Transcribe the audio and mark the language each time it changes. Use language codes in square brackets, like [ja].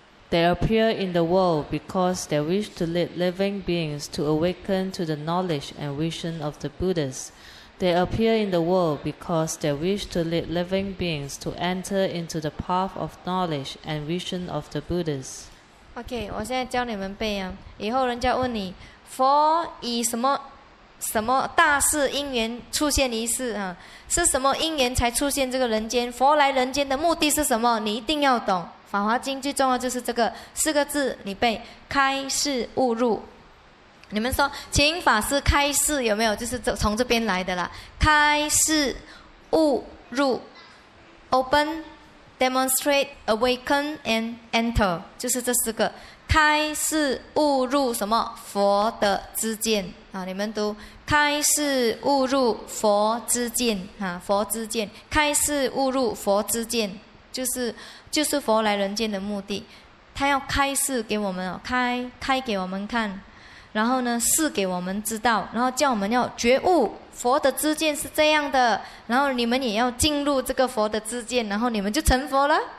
[en] They appear in the world because they wish to lead living beings to awaken to the knowledge and vision of the Buddhas. They appear in the world because they wish to lead living beings to enter into the path of knowledge and vision of the Buddhas. [zh] OK, 我现在教你们背啊，以后人家问你，佛以什么什么大事因缘出现一世啊，是什么因缘才出现这个人间，佛来人间的目的是什么，你一定要懂。法华经最重要就是这个四个字，你背开示悟入。你们说请法师开示，有没有就是从这边来的啦？开示悟入， [en] open, demonstrate, awaken and enter, [zh] 就是这四个。开示悟入什么？佛的知见啊，你们读开示悟入佛知见啊，佛知见，开示悟入佛知见，就是佛来人间的目的，他要开示给我们，开给我们看，然后呢示给我们知道，然后叫我们要觉悟佛的知见是这样的，然后你们也要进入这个佛的知见，然后你们就成佛了。